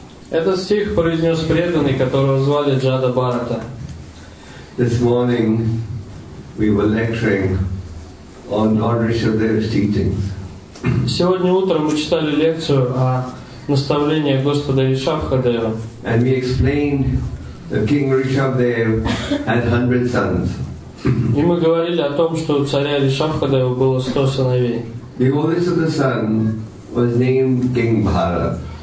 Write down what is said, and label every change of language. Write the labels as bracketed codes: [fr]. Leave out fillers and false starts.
[ru] Это стих произнес преданный, которого звали Джада Барата. [en] This morning we were lecturing on Lord Rishabhdev's teachings. [ru] Сегодня утром мы читали лекцию о наставлении Господа Ришабхадева. [en] And we explained that King Rishabhdev had 100 sons. [ru] И мы говорили о том, что у царя Ришабхадева было 100 сыновей. [en] The oldest of the sons was named King Bharat.